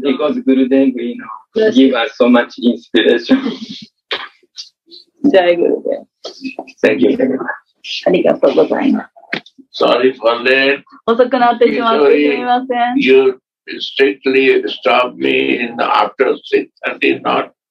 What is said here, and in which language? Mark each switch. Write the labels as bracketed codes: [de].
[en] Because Guru Deng, you know, give us so much inspiration. Jai Guru Deng. Thank you very much. [ja] ありがとうございます。 [en] Sorry for that. [ja] 遅くなってしまってすみません。 [en] You strictly stop me in the after 6 and did not.